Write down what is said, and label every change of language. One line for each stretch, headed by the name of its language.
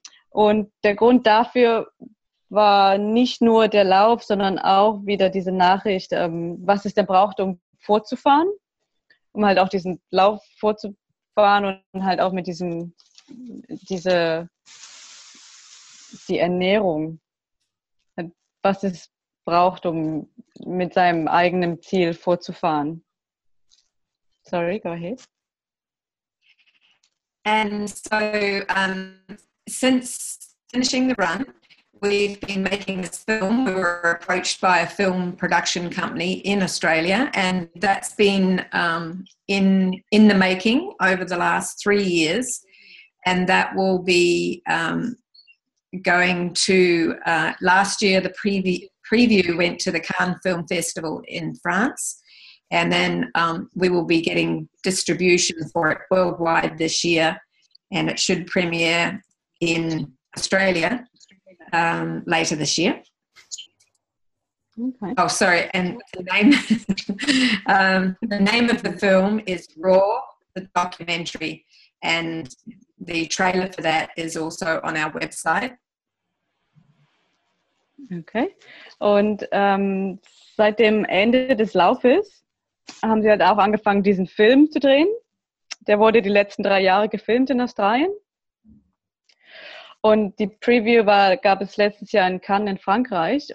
German: Und der Grund dafür war nicht nur der Lauf, sondern auch wieder diese Nachricht, was es denn braucht, um vorzufahren, um halt auch diesen Lauf vorzufahren und halt auch mit die Ernährung, was es braucht, um mit seinem eigenen Ziel vorzufahren.
English: Sorry, go ahead. And so, since finishing the run, we've been making this film. We were approached by a film production company in Australia, and that's been in the making over the last 3 years, and that will be going to last year the preview went to the Cannes Film Festival in France, and then we will be getting distribution for it worldwide this year, and it should premiere in Australia later this year. Okay. Oh, sorry. And the name of the film is Raw, the documentary, and the trailer for that is also on our website. Okay.
German: Und seit dem Ende des Laufes haben sie halt auch angefangen, diesen Film zu drehen. Der wurde die letzten 3 Jahre gefilmt in Australien. Und die Preview gab es letztes Jahr in Cannes in Frankreich.